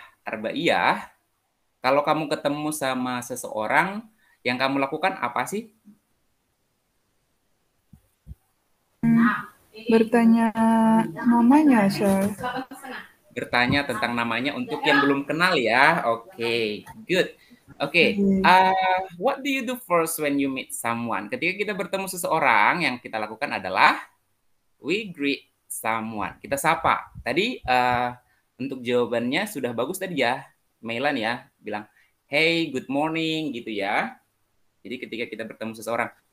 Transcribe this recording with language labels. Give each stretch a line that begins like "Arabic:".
Indonesian: Arba'iyah, kalau kamu ketemu sama seseorang, yang kamu lakukan apa sih? Bertanya namanya, sir. Bertanya tentang namanya untuk yang belum kenal ya. Oke, okay. Good. Oke, okay.
English: What do you do first when you meet someone?
Indonesian: Ketika kita bertemu seseorang, yang kita lakukan adalah
English: we greet someone.
Indonesian: Kita sapa. Tadi untuk jawabannya sudah bagus tadi ya, Meilan ya. Bilang,
English: hey, good morning,
Indonesian: gitu ya. Jadi ketika kita bertemu seseorang.